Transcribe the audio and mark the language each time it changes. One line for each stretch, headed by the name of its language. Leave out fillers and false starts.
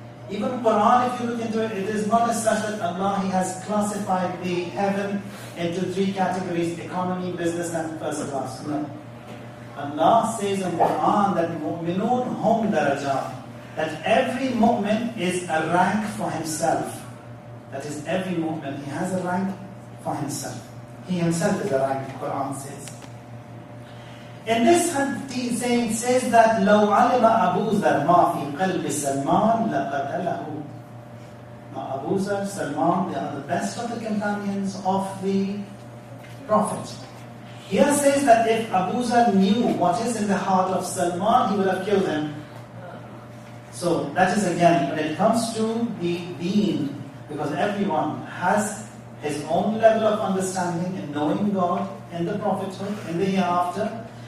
English: Even Quran, if you look into it, it is not as such that Allah, He has classified the heaven into three categories, economy, business, and first class. No. Allah says in Quran that
Arabic: mu'minun hum darajat,
English: that every mu'min is a rank for himself. That is, every mu'min, he has a rank for himself. He himself is a rank, the Quran says. In this hadith saying, it says that
Arabic: لَوْ عَلِمَ أَبُو ذَرْ مَا فِي قَلْبِ سَلْمَانِ لَقَتَلَهُ.
English: Now Abu Zar, Salman, they are the best of the companions of the Prophet. Here says that if Abu Zar knew what is in the heart of Salman, he would have killed him. So that is again, when it comes to the deen, because everyone has his own level of understanding and knowing God in the prophethood, in the hereafter.